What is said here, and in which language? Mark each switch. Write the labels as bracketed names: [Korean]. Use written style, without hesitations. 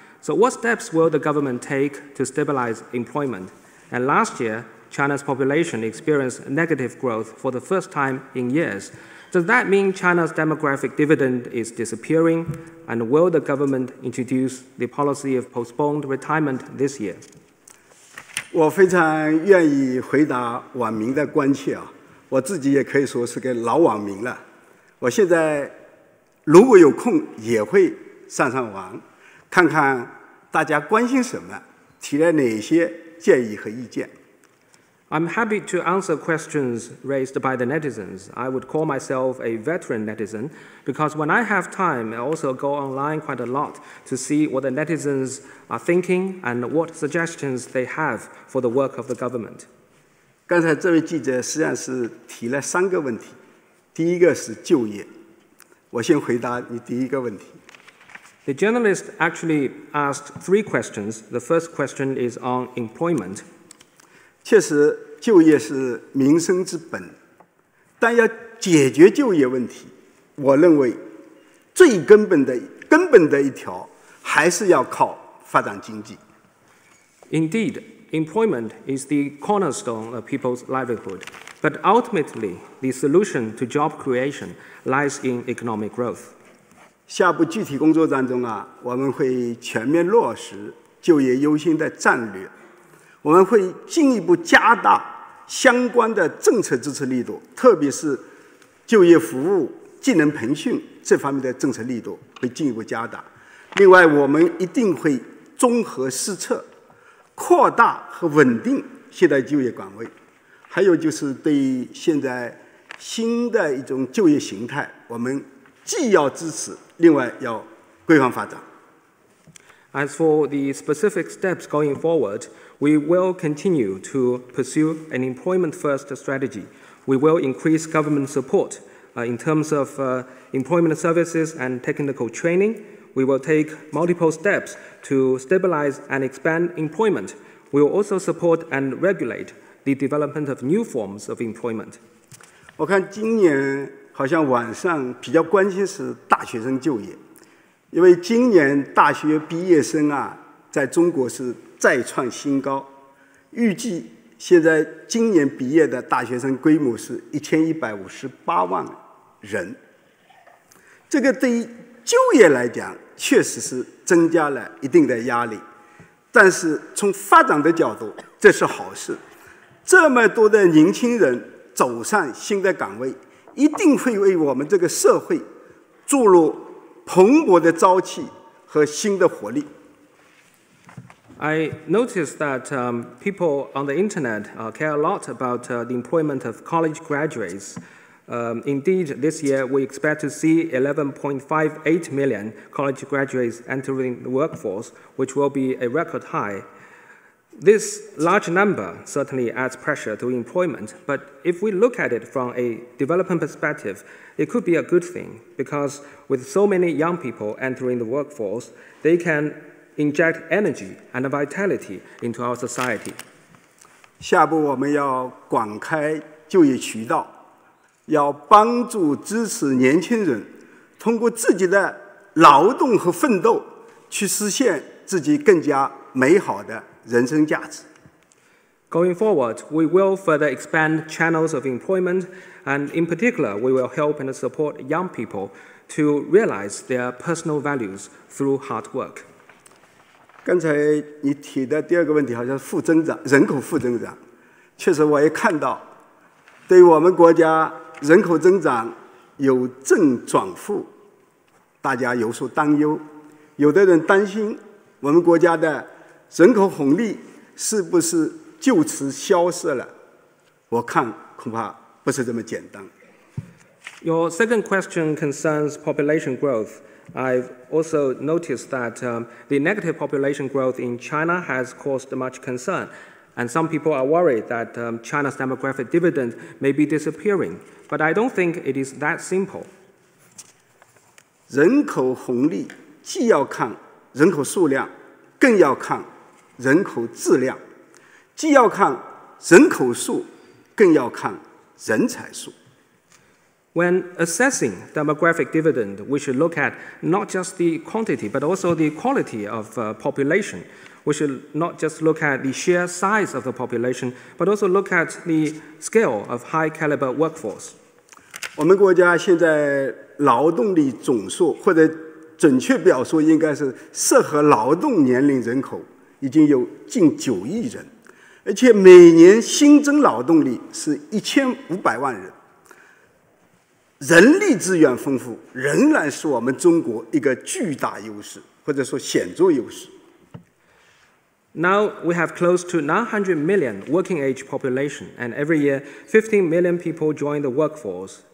[English] So what steps will the government take to stabilize employment? And last year, China's population experienced negative growth for the first time in years. Does that mean China's demographic dividend is disappearing? And will the government introduce the policy of postponed retirement this year? [Chinese] 我非常愿意回答网民的关切啊，我自己也可以说是个老网民了。我现在如果有空也会上上网，看看大家关心什么，提了哪些建议和意见。 [English] I'm happy to answer questions raised by the netizens. I would call myself a veteran netizen because when I have time, I also go online quite a lot to see what the netizens are thinking and what suggestions they have for the work of the government. [Chinese] 刚才这位记者实际上是提了三个问题。第一个是就业。我先回答你第一个问题。 [English] The journalist actually asked three questions. The first question is on employment. [Chinese] 确实就业是民生之本，但要解决就业问题，我认为最根本的一条还是要靠发展经济。 [English] Indeed, employment is the cornerstone of people's livelihood, but ultimately, the solution to job creation lies in economic growth. [Chinese] 下部具体工作当中啊，我们会全面落实就业优先的战略。我们会进一步加大相关的政策支持力度，特别是就业服务、技能培训这方面的政策力度会进一步加大。另外，我们一定会综合施策，扩大和稳定现代就业岗位。还有就是对于现在新的一种就业形态，我们既要支持，另外要规范发展。 [English] As for the specific steps going forward,We will continue to pursue an employment-first strategy. We will increase government support in terms of employment services and technical training. We will take multiple steps to stabilize and expand employment. We will also support and regulate the development of new forms of employment. [Chinese] 我看今年好像网上比较关心是大学生就业，因为今年大学毕业生啊，在中国是再创新高，预计现在今年毕业的大学生规模是1158万人。这个对于就业来讲，确实是增加了一定的压力。但是从发展的角度，这是好事。这么多的年轻人走上新的岗位，一定会为我们这个社会注入蓬勃的朝气和新的活力。 [English] I noticed that people on the internet care a lot about the employment of college graduates. Indeed, this year we expect to see 11.58 million college graduates entering the workforce, which will be a record high. This large number certainly adds pressure to employment, but if we look at it from a development perspective, it could be a good thing, because with so many young people entering the workforce, they can... inject energy and vitality into our society. [Chinese] 下步我们要广开就业渠道，要帮助支持年轻人通过自己的劳动和奋斗去实现自己更加美好的人生价值。 [English] Going forward, we will further expand channels of employment, and in particular, we will help and support young people to realize their personal values through hard work. [Chinese] 刚才你提的第二个问题好像是负增长，人口负增长。确实我也看到，对我们国家人口增长由正转负，大家有所担忧。有的人担心我们国家的人口红利是不是就此消失了，我看恐怕不是这么简单。 [English] Your second question concerns population growth. I've also noticed that the negative population growth in China has caused much concern, and some people are worried that China's demographic dividend may be disappearing. But I don't think it is that simple. [Chinese] 人口红利既要看人口数量，更要看人口质量，既要看人口数，更要看人才数。 [English] When assessing demographic dividend, we should look at not just the quantity, but also the quality of population. We should not just look at the sheer size of the population, but also look at the scale of high caliber workforce. [Chinese] 我们国家现在劳动力总数，或者准确表述应该是适合劳动年龄人口，已经有近九亿人，而且每年新增劳动力是一千五百万人。人力资源丰富仍然是我们中国一个巨大优势，或者说显著优势。 [English] Now we have close to 900 million working age population, and every year 15 million people join the workforce.